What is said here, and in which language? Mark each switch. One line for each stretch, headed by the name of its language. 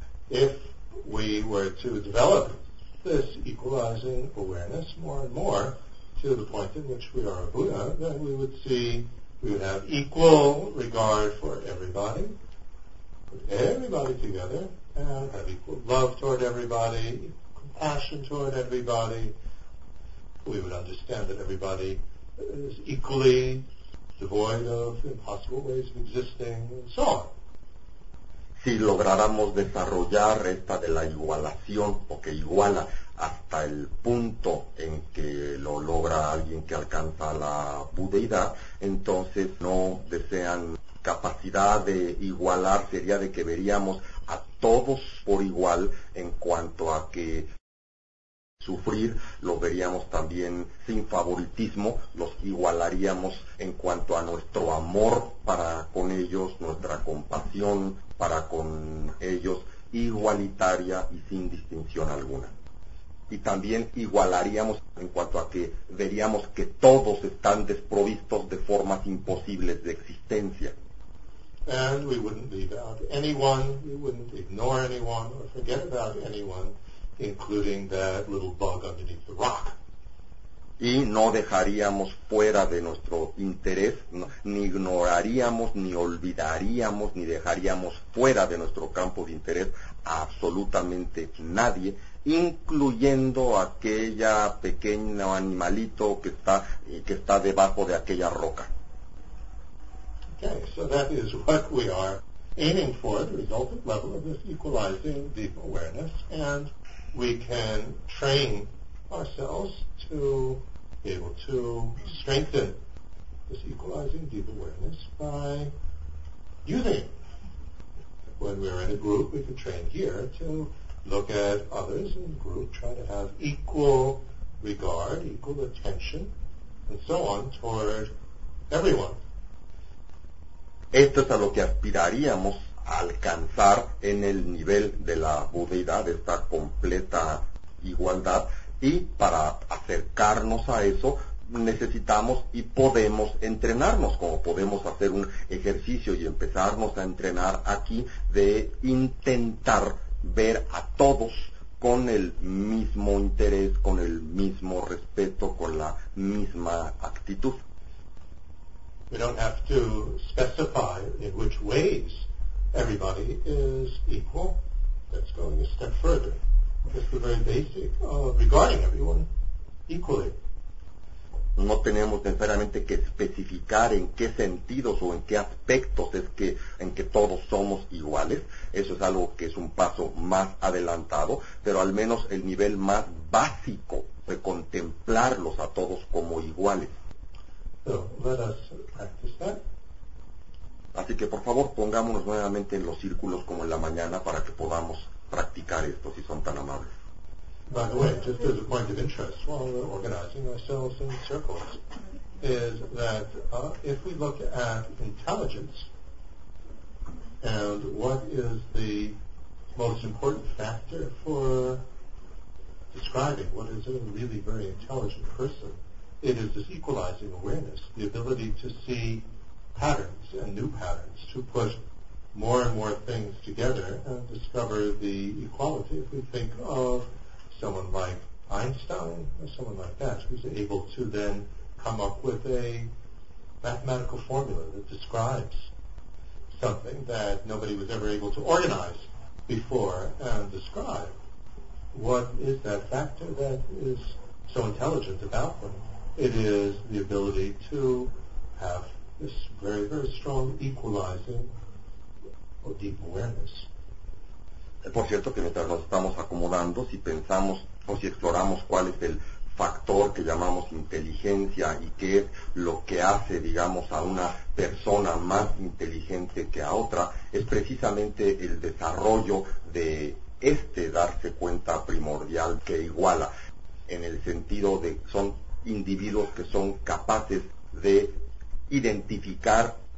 English: If we were to develop this equalizing awareness more and more to the point in which we are a Buddha, then we would see we would have equal regard for everybody, put everybody together, and have equal love toward everybody, compassion toward everybody. We would understand that everybody is equally devoid of impossible ways of existing, and so on.
Spanish: Si lográramos desarrollar esta de la igualación, o que iguala hasta el punto en que lo logra alguien que alcanza la budeidad, entonces no desean capacidad de igualar, sería de que veríamos a todos por igual en cuanto a que sufrir lo veríamos también sin favoritismo, los igualaríamos en cuanto a nuestro amor para con ellos, nuestra compasión para con ellos, igualitaria y sin distinción alguna. Y también igualaríamos en cuanto a que veríamos que todos están desprovistos de formas imposibles de existencia.
English: And we wouldn't leave out anyone, we wouldn't ignore anyone or forget about anyone, including that little bug underneath the rock.
Spanish: Y no dejaríamos fuera de nuestro interés, ni ignoraríamos, ni olvidaríamos, ni dejaríamos fuera de nuestro campo de interés a absolutamente nadie, incluyendo aquella pequeño animalito que está debajo de aquella roca.
English: Okay, so that is what we are aiming for, the resultant level of this equalizing deep awareness, and we can train ourselves to be able to strengthen this equalizing deep awareness by using. When we're in a group, we can train here to look at others in the group, try to have equal regard, equal attention, and so on toward everyone.
Spanish: Esto es a lo que aspiraríamos alcanzar en el nivel de la budeidad, esta completa igualdad. Y para acercarnos a eso, necesitamos y podemos entrenarnos, como podemos hacer un ejercicio y empezarnos a entrenar aquí de intentar ver a todos con el mismo interés, con el mismo respeto, con la misma actitud.
English: We don't have to specify in which ways everybody is equal. That's going a step further. Just the very basic of regarding everyone equally.
Spanish: No tenemos necesariamente que especificar en qué sentidos o en qué aspectos es que en que todos somos iguales. Eso es algo que es un paso más adelantado, pero al menos el nivel más básico de contemplarlos a todos como iguales.
English: Let us practice that.
Spanish: Así que por favor pongámonos nuevamente en los círculos como en la mañana para que podamos practicar esto si son tan amables.
English: By the way, just as a point of interest while we're organizing ourselves in circles, is that if we look at intelligence and what is the most important factor for describing what is a really very intelligent person, it is this equalizing awareness, the ability to see patterns and new patterns, to put more and more things together and discover the equality. If we think of someone like Einstein or someone like that, who's able to then come up with a mathematical formula that describes something that nobody was ever able to organize before and describe. What is that factor that is so intelligent about them? It is the ability to have this very, very strong equalizing or deep awareness.
Spanish: Por cierto, que mientras nos estamos acomodando, si pensamos o si exploramos cuál es el factor que llamamos inteligencia y qué es lo que hace, digamos, a una persona más inteligente que a otra, es precisamente el desarrollo de este darse cuenta primordial que iguala, en el sentido de que son individuos que son capaces de identificar